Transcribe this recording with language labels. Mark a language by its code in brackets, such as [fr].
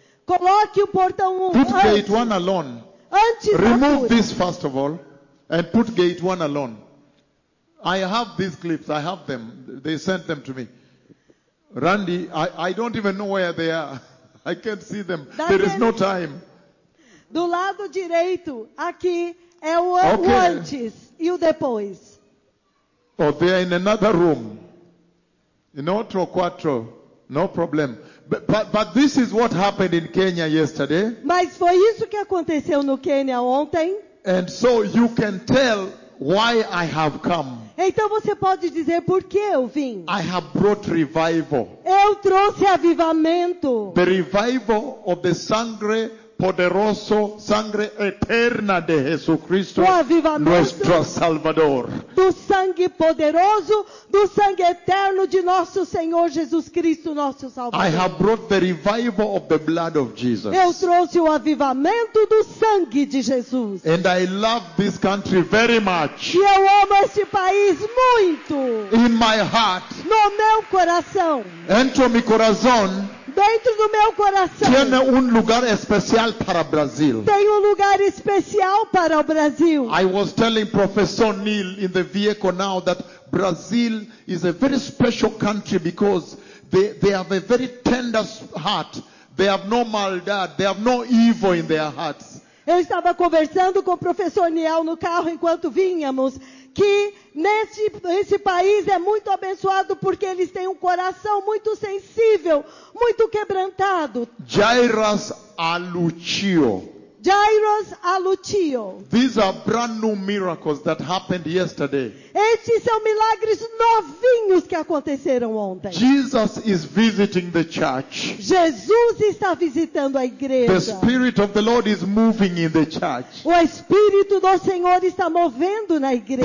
[pt] Coloque o portão um. [en] Put gate one alone. [pt] Antes. [en] Remove this first of all. And put gate one alone. I have these clips. I have them. They sent them to me. Randy, I don't even know where they are. I can't see them. [pt] Daquele, [en] there is no time. [pt] Do lado direito, aqui é o antes e o depois. [en] Oh, they are in another room. In [es] otro cuatro. [en] No problem. But this is what happened in Kenya yesterday. [pt] Mas foi isso que aconteceu no Quênia ontem. [en] And so you can tell why I have come. [pt] Então você pode dizer por que eu vim. [en] I have brought revival. [pt] Eu trouxe avivamento. [en] The revival of the [es] sangre poderoso, sangre eterna de Jesus Cristo. [pt] O avivamento [es] nuestro Salvador. [pt] Do sangue poderoso, do sangue eterno de nosso Senhor Jesus Cristo, nosso Salvador. [en] I have brought the revival of the blood of Jesus. [pt] Eu trouxe o avivamento do sangue de Jesus. [en] And I love this country very much. [pt] E eu amo este país muito. [en] In my heart. [pt] No meu coração. [es] Entro mi corazón. [pt] Dentro do meu coração. [es] Tiene un lugar especial para Brasil. [pt] Tem um lugar especial para o Brasil. [en] I was telling Professor Neil in the vehicle now that Brazil is a very special country because they have a very tender heart. They have no maldade, they have no evil in their hearts. [pt] Eu estava conversando com o Professor Neil no carro enquanto vínhamos. Que nesse país é muito abençoado porque eles têm um coração muito sensível, muito quebrantado. Jairus Alutio. Jairus Alutio. [en] These are brand new miracles that happened yesterday. [pt] Estes são milagres novinhos que aconteceram ontem. [en] Jesus is visiting the church. [pt] Jesus está visitando a igreja. [en] The Spirit of the Lord is moving in the church. [pt] O Espírito do Senhor está movendo na igreja.